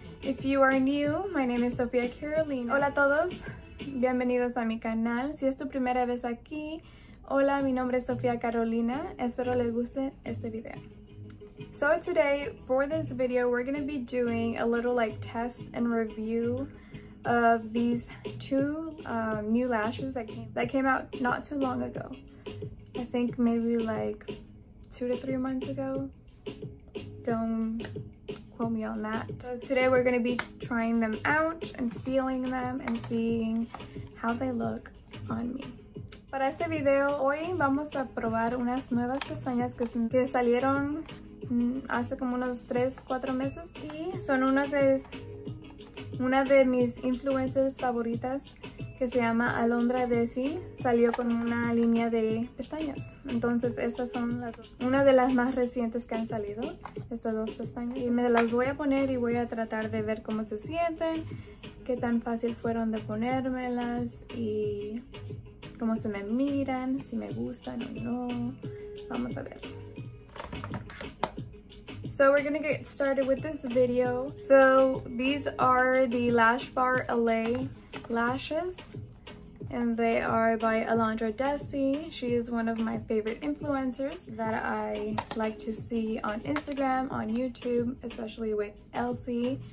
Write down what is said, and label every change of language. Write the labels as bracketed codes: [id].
[en] If you are new, my name is Sofia Carolina. [es] Hola a todos, bienvenidos a mi canal. Si es tu primera vez aquí, hola, mi nombre es Sofia Carolina. Espero les guste este video. [en] So today, for this video, we're going to be doing a little like test and review of these two new lashes that came out not too long ago. I think maybe like 2 to 3 months ago. Don't quote me on that. So today we're gonna be trying them out and feeling them and seeing how they look on me. [es] Para este video, hoy vamos a probar unas nuevas pestañas que salieron hace como unos 3-4 meses. Y son una de mis influencers favoritas que se llama Alondra Desi. Salió con una línea de pestañas. Entonces estas son las dos. Una de las más recientes que han salido, estas dos pestañas. Y me las voy a poner y voy a tratar de ver cómo se sienten, qué tan fácil fueron de ponérmelas y cómo se me miran, si me gustan o no. Vamos a ver. [en] So we're gonna get started with this video. So these are the Lash Bar LA lashes, and they are by Alondra Desi. She is one of my favorite influencers that I like to see on Instagram, on YouTube, especially with Elsie.